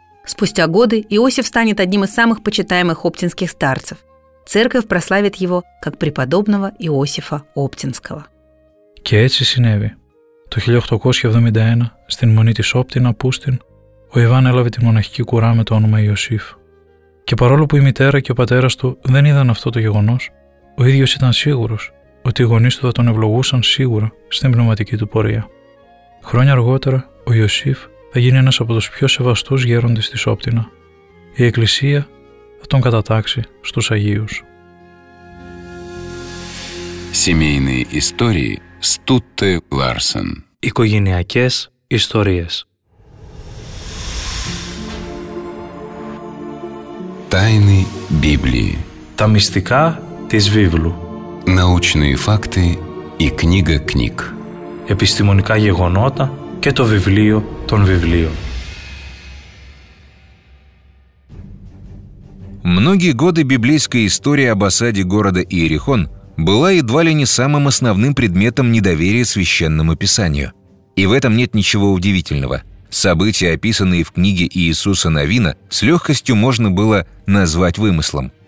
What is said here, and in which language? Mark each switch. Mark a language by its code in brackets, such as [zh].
[ru] Спустя годы Иосиф станет одним из самых почитаемых оптинских старцев. Церковь прославит его как преподобного Иосифа Оптинского. [el] Και έτσι συνέβη. Το 1871, στην μονή της Όπτινα-Πούστινα, ο Ιβάν έλαβε τη μοναχική κουρά με το όνομα Ιωσήφ. Και παρόλο που η μητέρα και ο πατέρας του δεν είδαν αυτό το γεγονός, ο ίδιος ήταν σίγουρος ότι οι γονείς του θα τον ευλογούσαν σίγουρα στην πνευματική του πορεία. Χρόνια αργότερα, ο Ιωσήφ θα γίνει ένας από τους πιο σεβαστούς γέροντες της Όπτινα. Η Εκκλησία θα τον κατατάξει στους Αγίους. [ru] Семейные истории Стутте Ларсен. [el] Οικογενειακές ιστορίες. [ru] Тайны Библии. [el] Τα μυστικά της Βίβλου. [ru] Научные факты и книга книг. [el] Επιστημονικά γεγονότα και το βιβλίο των βιβλίων. [ru] Многие годы библейская история об осаде города Иерихон была едва ли не самым основным предметом недоверия Священному Писанию. И в этом нет ничего удивительного. События, описанные в книге Иисуса Навина, с легкостью можно было назвать вымыслом.